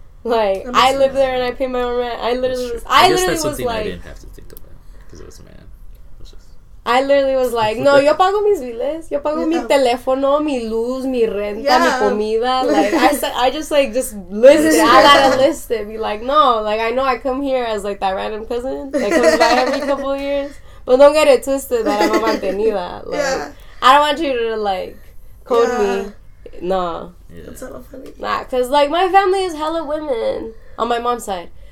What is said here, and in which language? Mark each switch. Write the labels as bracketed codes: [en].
[en] Like, I live there and I pay my own rent. I literally that's was like... I guess literally that's something like, I didn't have to think about because it was a man. I literally was like, [es] no, yo pago mis biles. Yo pago mi teléfono, mi luz, mi renta, mi comida. [en] Like, I just list it. I gotta list it. Be like, no. Like, I know I come here as, like, that random cousin that comes by every couple of years. But don't get it twisted that I'm a mantenida. Like, yeah. I don't want you to, like, code me. No. Yeah. That's hella funny. Nah, because, like, my family is hella women on my mom's side.